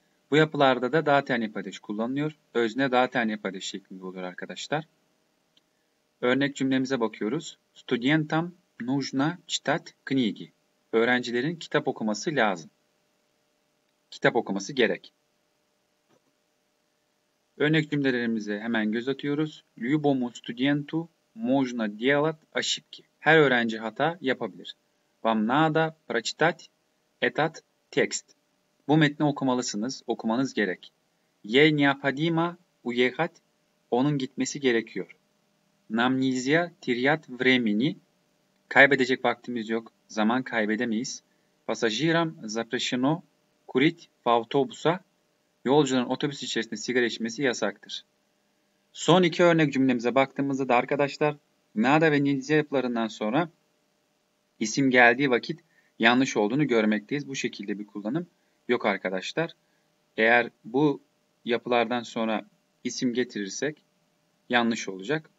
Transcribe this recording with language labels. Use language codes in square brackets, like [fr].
[tr] Bu yapılarda da daten ipadeş kullanılıyor. Özne daten ipadeş şeklinde olur arkadaşlar. Örnek cümlemize bakıyoruz. [ru] Studentam nujna çitat knigi. [tr] Öğrencilerin kitap okuması lazım. Kitap okuması gerek. Örnek cümlelerimize hemen göz atıyoruz. [ru] Lyubomu studentu Можно делать ошибки. [tr] Her öğrenci hata yapabilir. [ru] Вам надо прочитать этот текст. [tr] Bu metni okumalısınız, okumanız gerek. [ru] Ей необходимо уехать. [tr] Onun gitmesi gerekiyor. [ru] Нам нельзя терять времени. [tr] Kaybedecek vaktimiz yok. Zaman kaybedemeyiz. [ru] Пассажирам запрещено курить в автобусе. [tr] Yolcuların otobüs içerisinde sigara içmesi yasaktır. Son iki örnek cümlemize baktığımızda da arkadaşlar nada ve nilze yapılarından sonra isim geldiği vakit yanlış olduğunu görmekteyiz. Bu şekilde bir kullanım yok arkadaşlar. Eğer bu yapılardan sonra isim getirirsek yanlış olacak.